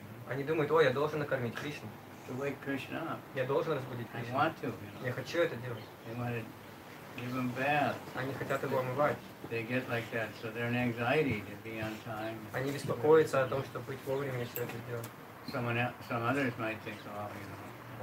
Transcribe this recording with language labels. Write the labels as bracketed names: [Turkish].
[Russian] Они думают, о, я должен накормить Кришну. [English] To wake Krishna up. [Russian] Я должен разбудить Кришну. [English] I want to. [Russian] Я хочу это делать. [English] They want to give him bath. [Russian] Они хотят его омывать. [English] They get like that, so they're an anxiety to be on time. [Russian] Они беспокоятся о том, чтобы быть вовремя, если это делать. [English] Some others might think, oh, you know.